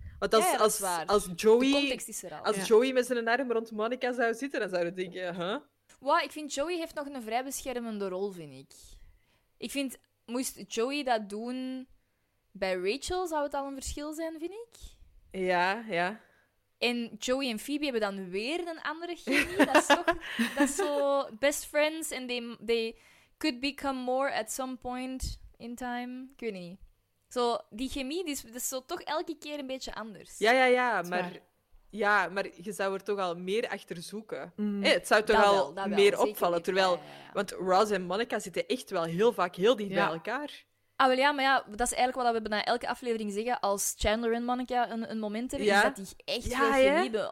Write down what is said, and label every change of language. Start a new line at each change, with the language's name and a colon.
Dutch: Want Joey met zijn arm rond Monica zou zitten, dan zou je denken... Huh? Wow, ik vind Joey heeft nog een vrij beschermende rol, vind ik. Ik vind, moest Joey dat doen bij Rachel, zou het al een verschil zijn, vind ik. Ja, ja. En Joey en Phoebe hebben dan weer een andere chemie. Dat is zo
English: best friends and they could become more at some point in time.
Dutch: Ik weet niet. Zo, die chemie, die is, dat is zo toch elke keer een beetje anders. Ja, ja, ja, maar... Ja, maar je zou er toch al meer achter zoeken. Mm. Hey, het zou toch al meer opvallen. Niet. Terwijl, ja, ja, ja. Want Roz en Monica zitten echt wel heel vaak heel dicht bij elkaar. Ah, wel ja, maar ja, dat is eigenlijk wat we bij elke aflevering zeggen. Als Chandler en Monica een moment hebben, is dat die echt veel chemie hebben.